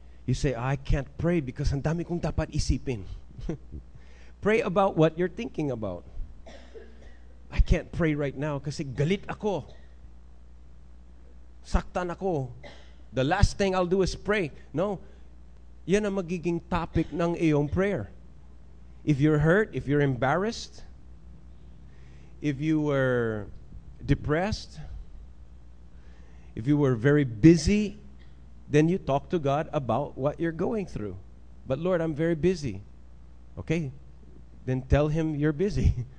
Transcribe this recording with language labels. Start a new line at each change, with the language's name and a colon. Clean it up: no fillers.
English: You say, I can't pray because
Filipino: ang dami kong dapat isipin.
English: Pray about what you're thinking about. I can't pray right now
Filipino: kasi galit ako. Saktan ako.
English: The last thing I'll do is pray. No.
Filipino: Yan ang magiging topic ng iyong prayer.
English: If you're hurt, if you're embarrassed, if you were depressed, if you were very busy, then you talk to God about what you're going through. But Lord, I'm very busy. Okay? Then tell Him you're busy.